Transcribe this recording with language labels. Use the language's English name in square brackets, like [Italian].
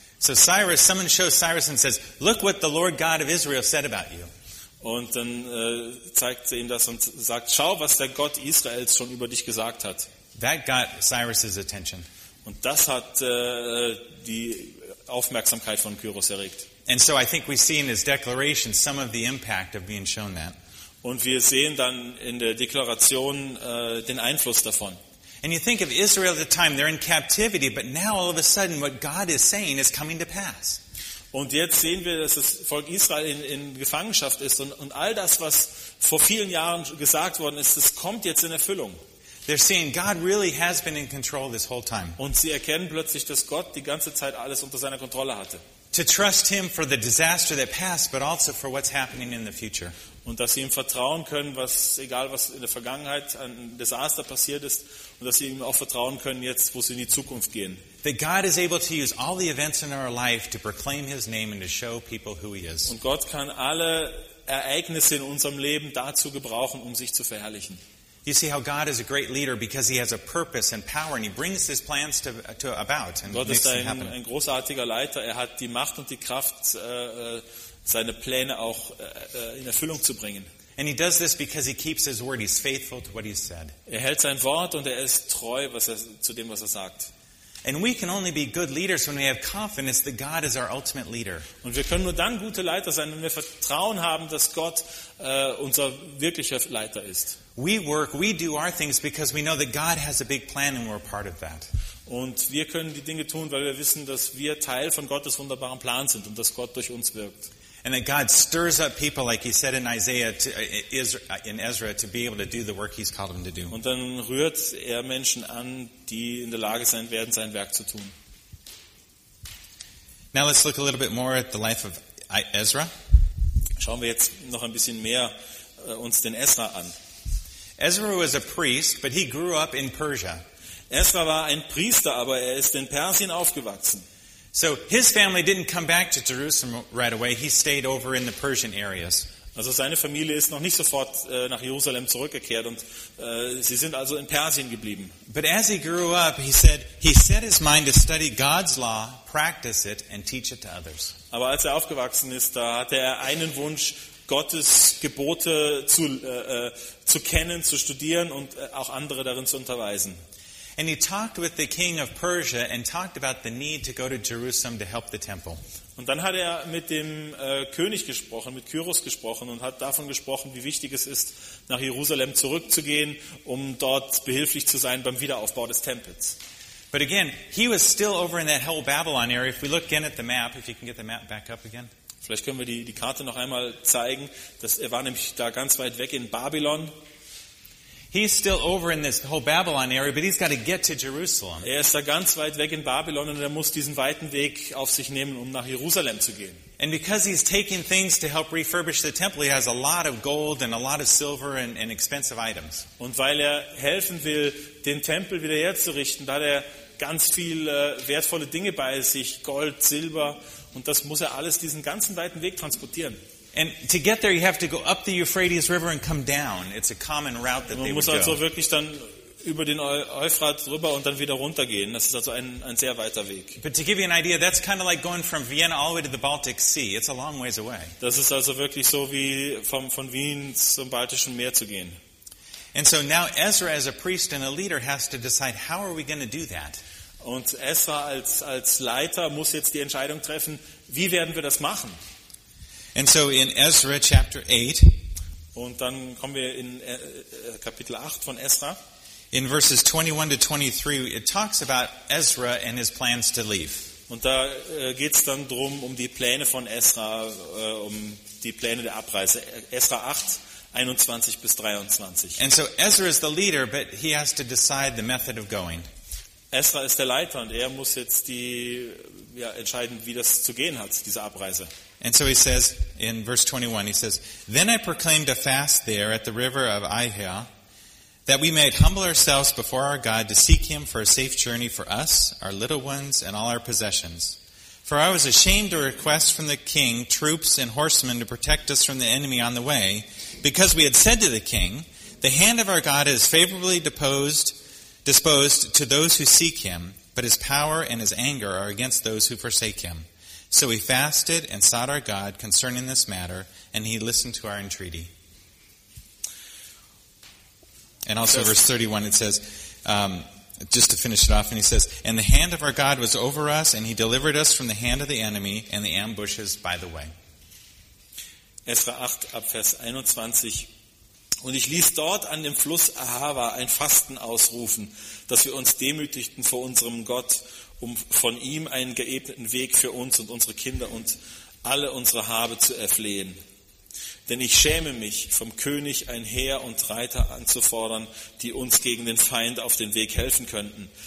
[English] So Cyrus, someone shows Cyrus and says, look what the Lord God of Israel said about you. [German] Und dann zeigt sie ihm das und sagt, schau, was der Gott Israels schon über dich gesagt hat. [English] That got Cyrus's attention. [German] Und das hat die Aufmerksamkeit von Kyros erregt. [English] And so I think we see in his declaration some of the impact of being shown that. [German] Und wir sehen dann in der Deklaration den Einfluss davon. [English] And you think of Israel at the time, they're in captivity, but now all of a sudden what God is saying is coming to pass. [German] Und jetzt sehen wir, dass das Volk Israel in Gefangenschaft ist und all das, was vor vielen Jahren gesagt worden ist, das kommt jetzt in Erfüllung. [English] They're seeing God really has been in control this whole time. [German] Und sie erkennen plötzlich, dass Gott die ganze Zeit alles unter seiner Kontrolle hatte. [English] To trust him for the disaster that passed, but also for what's happening in the future. [German] Und dass sie ihm vertrauen können, was egal was in der Vergangenheit ein Desaster passiert ist, und dass sie ihm auch vertrauen können jetzt, wo sie in die Zukunft gehen. [English] That God is able to use all the events in our life to proclaim his name and to show people who he is. [German] Und Gott kann alle Ereignisse in unserem Leben dazu gebrauchen, um sich zu verherrlichen. [English] You see how God is a great leader because he has a purpose and power and he brings his plans to about and [German] Gott [English] makes them happen. [German] Ein großartiger Leiter, er hat die Macht und die Kraft seine Pläne auch in Erfüllung zu bringen. [English] And he does this because he keeps his word, he's faithful to what he said. [German] Er hält sein Wort und er ist treu zu dem, was er sagt. [English] And we can only be good leaders when we have confidence that God is our ultimate leader. [German] Und wir können nur dann gute Leiter sein, wenn wir Vertrauen haben, dass Gott unser wirklicher Leiter ist. [English] We work, we do our things because we know that God has a big plan and we're part of that. [German] Und wir können die Dinge tun, weil wir wissen, dass wir Teil von Gottes wunderbarem Plan sind und dass Gott durch uns wirkt. [English] And that God stirs up people, like he said in Isaiah, in Ezra, to be able to do the work he's called them to do. [German] Und dann rührt er Menschen an, die in der Lage sein werden, sein Werk zu tun. [English] Now let's look a little bit more at the life of Ezra. [German] Schauen wir jetzt noch ein bisschen mehr uns den Ezra an. [English] Ezra was a priest, but he grew up in Persia. [German] Ezra war ein Priester, aber er ist in Persien aufgewachsen. [English] So his family didn't come back to Jerusalem right away. He stayed over in the Persian areas. [German] Also seine Familie ist noch nicht sofort nach Jerusalem zurückgekehrt und sie sind also in Persien geblieben. [English] But as he grew up, he set his mind to study God's law, practice it and teach it to others. [German] Aber als er aufgewachsen ist, da hatte er einen Wunsch, Gottes Gebote zu kennen, zu studieren und auch andere darin zu unterweisen. [English] And he talked with the king of Persia and talked about the need to go to Jerusalem to help the temple. [German] Und dann hat er mit dem König gesprochen, mit Kyros gesprochen und hat davon gesprochen, wie wichtig es ist, nach Jerusalem zurückzugehen, um dort behilflich zu sein beim Wiederaufbau des Tempels. [English] But again, he was still over in that whole Babylon area. If we look again at the map, if you can get the map back up again. [German] Vielleicht können wir die Karte noch einmal zeigen. Das, er war nämlich da ganz weit weg in Babylon. [English] He's still over in this whole Babylon area, but he's got to get to Jerusalem. [German] Er ist da ganz weit weg in Babylon und er muss diesen weiten Weg auf sich nehmen, um nach Jerusalem zu gehen. [English] And because he's taking things to help refurbish the temple, he has a lot of gold and a lot of silver and expensive items. [German] Und weil er helfen will, den Tempel wieder herzurichten, da hat er ganz viel wertvolle Dinge bei sich, Gold, Silber, und das muss er alles diesen ganzen weiten Weg transportieren. [English] And to get there, you have to go up the Euphrates River and come down. It's a common route that they would go. [German] Man muss also wirklich dann über den Euphrat rüber und dann wieder runtergehen. Das ist also ein sehr weiter Weg. [English] But to give you an idea, that's kind of like going from Vienna all the way to the Baltic Sea. It's a long ways away. [German] Das ist also wirklich so wie von Wien zum Baltischen Meer zu gehen. [English] And so now Ezra, as a priest and a leader, has to decide how are we going to do that. [German] Und Ezra als Leiter muss jetzt die Entscheidung treffen: Wie werden wir das machen? [English] And so in Ezra chapter 8, [German] und dann kommen wir in Kapitel 8 von Ezra. [English] In verses 21 to 23, it talks about Ezra and his plans to leave. [German] Und da geht's dann drum um die Pläne von Ezra, um die Pläne der Abreise. Ezra 8, 21 bis 23. [English] And so Ezra is the leader, but he has to decide the method of going. [German] Ezra ist der Leiter und er muss jetzt entscheiden, wie das zu gehen hat, diese Abreise. [English] And so he says in verse 21, he says, Then I proclaimed a fast there at the river of Ahiah, that we might humble ourselves before our God to seek him for a safe journey for us, our little ones, and all our possessions. For I was ashamed to request from the king troops and horsemen to protect us from the enemy on the way, because we had said to the king, The hand of our God is favorably disposed to those who seek him, but his power and his anger are against those who forsake him. So we fasted and sought our God concerning this matter, and he listened to our entreaty. And also verse 31, it says, just to finish it off, and he says, And the hand of our God was over us, and he delivered us from the hand of the enemy and the ambushes by the way. [German] Ezra 8, Abvers 21. Und ich ließ dort an dem Fluss Ahava ein Fasten ausrufen, dass wir uns demütigten vor unserem Gott, um von ihm einen geebneten Weg für uns und unsere Kinder und alle unsere Habe zu erflehen. Denn ich schäme mich, vom König ein Heer und Reiter anzufordern, die uns gegen den Feind auf den Weg helfen könnten.